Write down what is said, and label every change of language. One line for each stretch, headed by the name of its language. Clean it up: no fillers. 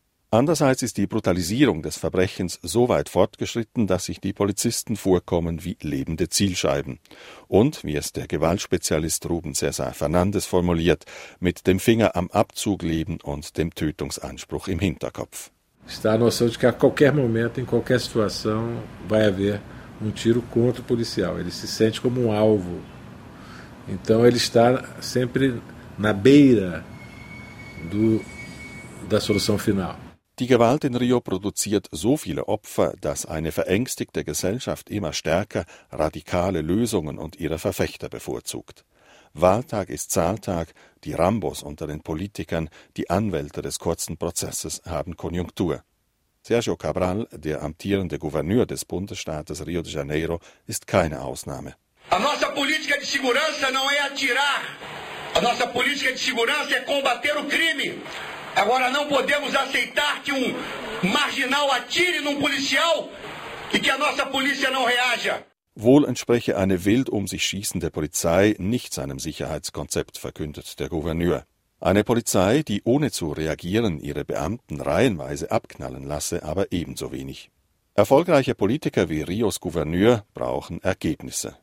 German: Andererseits ist die Brutalisierung des Verbrechens so weit fortgeschritten, dass sich die Polizisten vorkommen wie lebende Zielscheiben. Und, wie es der Gewaltspezialist Ruben César Fernandes formuliert, mit dem Finger am Abzug leben und dem Tötungsanspruch im Hinterkopf.
Portuguese: Está a noção de que a qualquer momento, in qualquer situação, vai haver tiro contra o policial. Ele se sente como alvo. Então ele está sempre na beira do...
German: Die Gewalt in Rio produziert so viele Opfer, dass eine verängstigte Gesellschaft immer stärker radikale Lösungen und ihre Verfechter bevorzugt. Wahltag ist Zahltag, die Rambos unter den Politikern, die Anwälte des kurzen Prozesses haben Konjunktur. Sergio Cabral, der amtierende Gouverneur des Bundesstaates Rio de Janeiro, ist keine Ausnahme.
Portuguese: A nossa política de segurança não é atirar. A nossa política de segurança é combater o crime. Agora não podemos aceitar que marginal atire num policial e que a nossa polícia não reaja.
German: Wohl entspreche eine wild um sich schießende Polizei nicht seinem Sicherheitskonzept, verkündet der Gouverneur. Eine Polizei, die ohne zu reagieren ihre Beamten reihenweise abknallen lasse, aber ebenso wenig. Erfolgreiche Politiker wie Rios Gouverneur brauchen Ergebnisse.